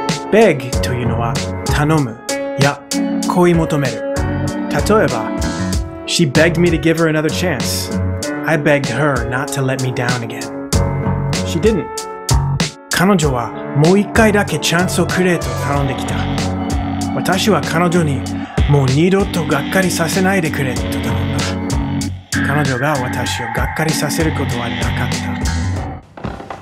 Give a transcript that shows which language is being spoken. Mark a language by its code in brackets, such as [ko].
[ja] Beg というのは頼むや恋求める。例えば、 [en] She begged me to give her another chance. I begged her not to let me down again. She didn't. [ja] 彼女はもう一回だけチャンスをくれと頼んできた。私は彼女にもう二度とがっかりさせないでくれと頼んだ。彼女が私をがっかりさせることはなかった。